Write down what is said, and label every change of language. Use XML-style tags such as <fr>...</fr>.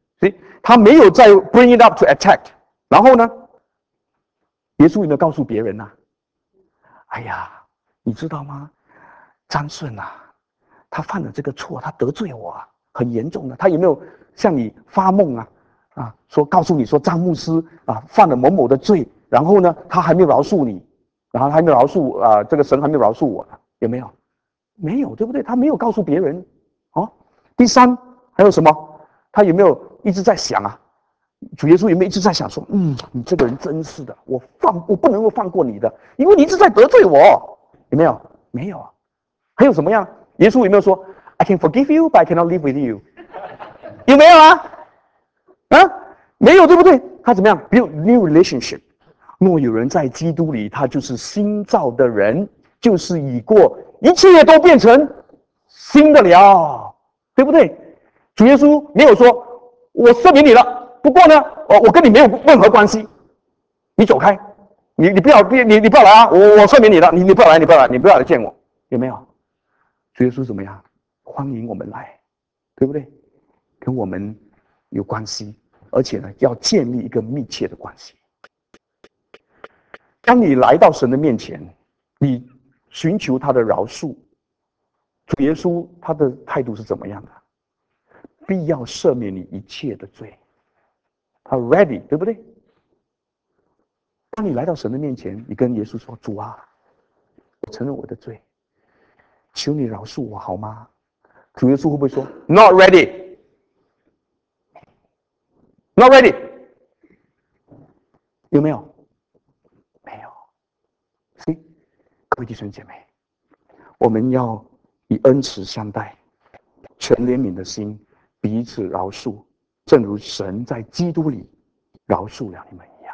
<zh>所以他没有再</zh> <en>bring it up to attack。</en> <zh>然后呢，耶稣有没有告诉别人啊？哎呀，你知道吗？张顺啊，他犯了这个错，他得罪我啊，很严重的。他有没有向你发梦啊？说告诉你说张牧师啊犯了某某的罪，然后呢他还没有饶恕你，然后他还没有饶恕这个神还没有饶恕我呢，有没有？没有，对不对？他没有告诉别人啊。第三还有什么？他有没有一直在想啊？主耶稣有没有一直在想说，你这个人真是的，我不能够放过你的，因为你一直在得罪我，有没有？没有啊。还有什么样？耶稣有没有说</zh> <en>I can forgive you but I cannot live with you？</en> <zh>有没有啊？没有，对不对？他怎么样</zh> <en>build new relationship？</en> <zh>若有人在基督里，他就是新造的人，就是已过，一切都变成新的了，对不对？主耶稣没有说我赦免你了，不过呢我跟你没有任何关系，你走开，你不要来啊，我赦免你了，你不要来见我，有没有？主耶稣怎么样？欢迎我们来，对不对？跟我们有关系，而且呢要建立一个密切的关系。当你来到神的面前，你寻求他的饶恕，主耶稣他的态度是怎么样的？必要赦免你一切的罪。他 ready， 对不对？当你来到神的面前，你跟耶稣说：“主啊，我承认我的罪，求你饶恕我好吗？” 主耶稣会不会说 ：</zh> <en>“Not ready, not ready？”</en> <zh>有没有？没有。 See，各位弟兄姐妹，我们要以恩慈相待，全怜悯的心，彼此饶恕，正如神在基督里饶恕了你们。</zh>